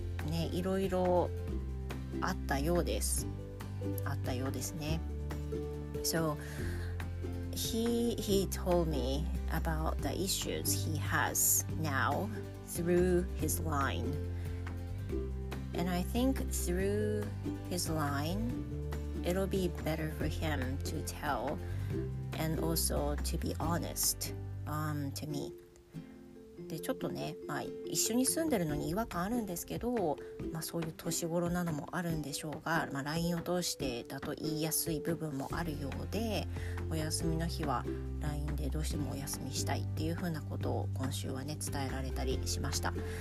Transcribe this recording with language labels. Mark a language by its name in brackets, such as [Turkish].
[Japanese] ね、いろいろあったようです。あったようですね。 [English] So he told me about the issues he has now through his line, and I think through his line it'll be better for him to tell and also to be honest to me. [Japanese] でちょっとね、一緒に住んでるのに違和感あるんですけど、そういう年頃なのもあるんでしょうが、LINE を通してだと言いやすい部分もあるようで、お休みの日は LINE でどうしてもお休みしたいっていう風なことを今週はね伝えられたりしました。